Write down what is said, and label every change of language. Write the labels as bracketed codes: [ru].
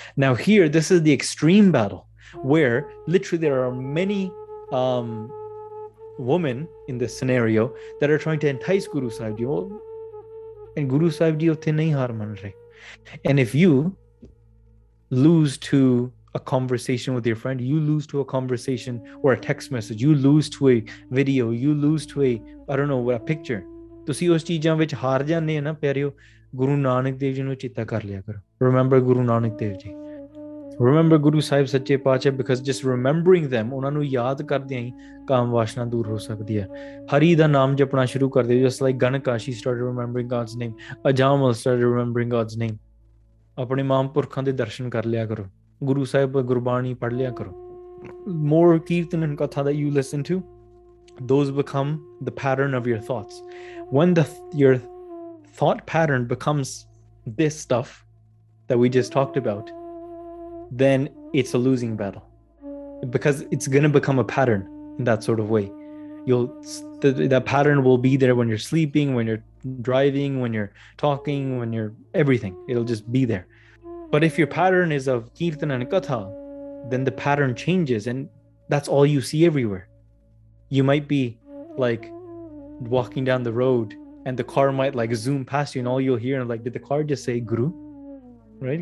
[en] Now here, this is the extreme battle where literally there are many women in this scenario that are trying to entice Guru Sahib Ji, and Guru Sahib Ji [pa] utthe nahi haar mann rahe. [en] And if you lose to a conversation with your friend, you lose to a conversation or a text message, you lose to a video, you lose to a, I don't know, what, a picture. [pa] ਤੁਸੀਂ ਉਸ ਚੀਜ਼ਾਂ ਵਿੱਚ ਹਾਰ ਜਾਂਦੇ ਹੋ ਨਾ ਪਿਆਰਿਓ, ਗੁਰੂ ਨਾਨਕ ਦੇਵ ਜੀ ਨੂੰ ਚੇਤਾ ਕਰ ਲਿਆ ਕਰੋ. [en] remember Guru Nanak Dev ji, remember Guru Sahib ਸੱਚੇ ਪਾਤਸ਼ਾਹ, because just remembering them, [pa] ਉਹਨਾਂ ਨੂੰ ਯਾਦ ਕਰਦਿਆਂ ਹੀ ਕਾਮ ਵਾਸ਼ਨਾ ਦੂਰ ਹੋ ਸਕਦੀ ਹੈ. ਹਰੀ ਦਾ ਨਾਮ ਜਪਣਾ ਸ਼ੁਰੂ ਕਰਦੇ, [en] Just like Ganika she started remembering God's name, Ajamal started remembering God's name. [pa] ਆਪਣੇ ਮਹਾਂਪੁਰਖਾਂ ਦੇ ਦਰਸ਼ਨ ਕਰ ਲਿਆ ਕਰੋ, ਗੁਰੂ ਸਾਹਿਬ ਗੁਰਬਾਣੀ ਪੜ੍ਹ ਲਿਆ ਕਰੋ. [en] More kirtan and katha that you listen to, those become the pattern of your thoughts. When the your thought pattern becomes this stuff that we just talked about, then it's a losing battle, because it's gonna become a pattern in that sort of way. You the pattern will be there when you're sleeping, when you're driving, when you're talking, when you're everything, it will just be there. But if your pattern is of kirtan and katha, then the pattern changes and that's all you see everywhere. You might be like walking down the road and the car might like zoom past you and all you'll hear, and like, did the car just say guru? Right?